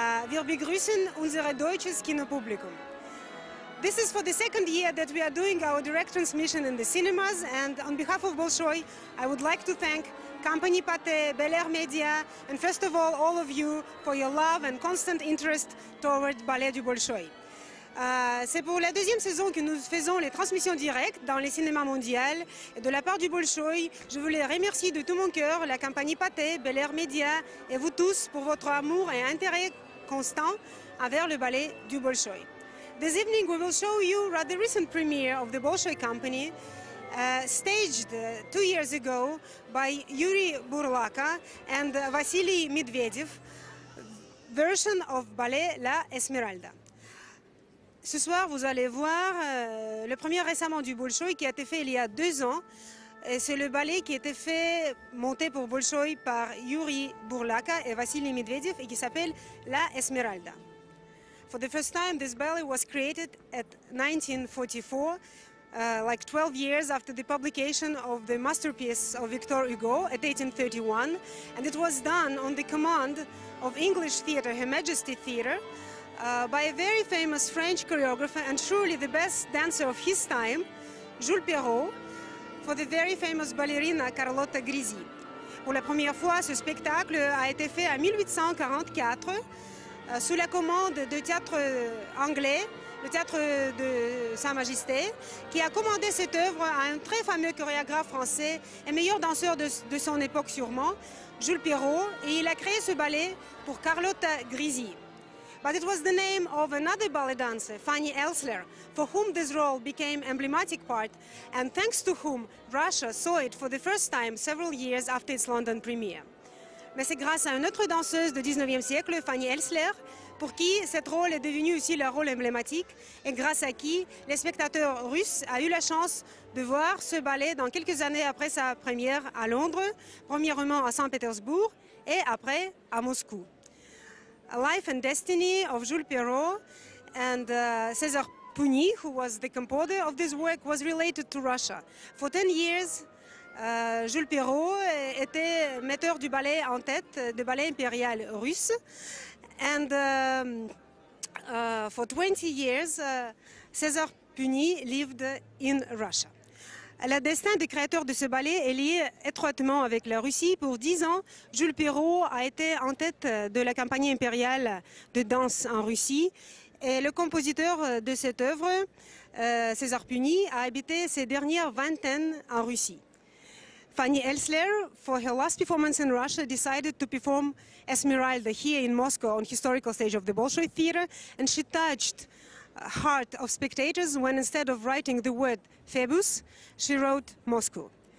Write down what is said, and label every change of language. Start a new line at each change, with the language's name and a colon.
German: Wir begrüßen unser deutsches Kinopublikum.
English: This is for the second year that we are doing our direct transmission in the cinemas, and on behalf of Bolshoï, I would like to thank Compagnie Pathé, Bel Air Media, and first of all of you for your love and constant interest toward Ballet du Bolshoï.
French: C'est pour la deuxième saison que nous faisons les transmissions directes dans les cinémas mondiaux. Et de la part du Bolshoï, je voulais remercier de tout mon cœur la Compagnie Pathé, Bel Air Media et vous tous pour votre amour et intérêt constant envers le Ballet du Bolshoï.
English: This evening we will show you rather recent premiere of the Bolshoï Company, staged 2 years ago by Yuri Burlaka and Vasily Medvedev, version of Ballet La Esmeralda.
French: Ce soir, vous allez voir le premier récemment du Bolshoï qui a été fait il y a 2 ans. Et c'est le ballet qui a été fait monter pour Bolshoï par Yuri Burlaka et Vasily Medvedev et qui s'appelle La Esmeralda.
English: For the first time, this ballet was created at 1944, like 12 years after the publication of the masterpiece of Victor Hugo at 1831. And it was done on the command of English theater, Her Majesty Theater, by a very famous French choreographer and truly the best dancer of his time, Jules Perrault, for the very famous ballerina Carlotta Grisi.
French: Pour la première fois, ce spectacle a été fait en 1844, sous la commande du théâtre anglais, le théâtre de Sa Majesté, qui a commandé cette œuvre à un très fameux chorégraphe français et meilleur danseur de son époque sûrement, Jules Perrault, et il a créé ce ballet pour Carlotta Grisi.
English: But it was the name of another ballet dancer, Fanny Elsler, for whom this role became emblematic part, and thanks to whom Russia saw it for the first time several years after its London premiere.
French: Mais c'est grâce à une autre danseuse du 19e siècle, Fanny Elsler, pour qui cette rôle est devenue aussi le rôle emblématique et grâce à qui les spectateurs russes ont eu la chance de voir ce ballet dans quelques années après sa première à Londres, premièrement à Saint-Pétersbourg et après à Moscou.
English: A Life and Destiny of Jules Perrault and César Pugny, who was the composer of this work, was related to Russia. For 10 years,
French: Jules Perrault était metteur du ballet en tête, du ballet impérial russe.
English: And for 20 years, César Pugny lived in Russia.
French: Le destin du créateur de ce ballet est lié étroitement avec la Russie. Pour 10 ans, Jules Perrault a été en tête de la campagne impériale de danse en Russie. Et le compositeur de cette œuvre, César Pugny, a habité ses dernières vingtaines en Russie.
English: Fanny Elsler, for her last performance in Russia, decided to perform Esmeralda here in Moscow on historical stage of the Bolshoi Theater, and she touched the heart of spectators when instead of writing the word Phoebus, she wrote Moscow.